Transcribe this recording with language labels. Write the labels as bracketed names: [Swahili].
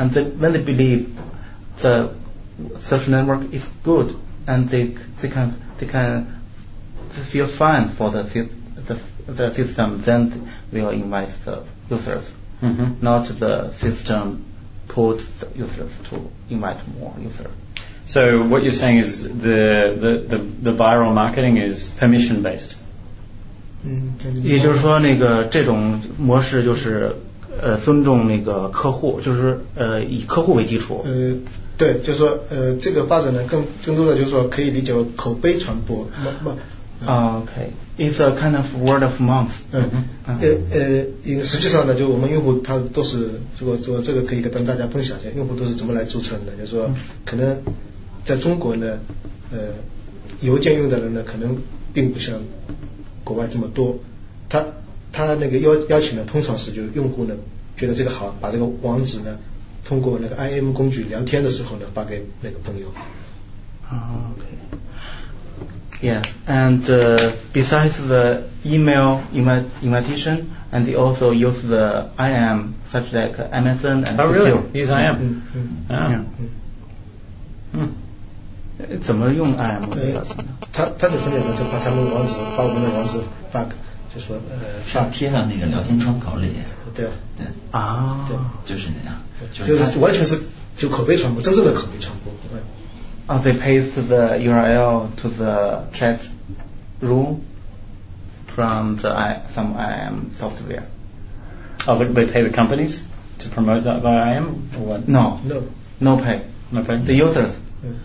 [English] And when they believe the social network is good, and they can feel fine for the system, then we will invite the users. Mm-hmm. Not the system put the users to invite more users. So what you're saying is the viral marketing is permission based. [Chinese] 也就是说那个这种模式就是尊重那个客户，就是以客户为基础。对，就是说这个发展呢更多的就是说可以理解为口碑传播。 [English] Okay, it's a kind of word of mouth. [Chinese] 实际上呢，就我们用户他都是这个可以跟大家分享一下，用户都是怎么来注册的。就是说，可能在中国呢，邮件用的人呢，可能并不像国外这么多。他那个邀请呢，通常是就用户呢觉得这个好，把这个网址呢通过那个 IM 工具聊天的时候呢发给那个朋友。 [English] Okay. Yeah, and besides the email invitation, and they also use the IM, such like MSN and QQ. Oh, really? Use IM? Mm-hmm. Yeah. Mm-hmm. Mm-hmm. [Chinese] 怎么用 IM? 他的分解呢，就把他们网址，把我们的网址发，就说发贴到那个聊天窗口里。对。对。啊。对。就是那样。就是完全是就口碑传播，真正的口碑传播。 [English] They paste the URL to the chat room from some IM software. Oh, but they pay the companies to promote that via IM or what? No. No. No pay. No pay? The users. Yeah.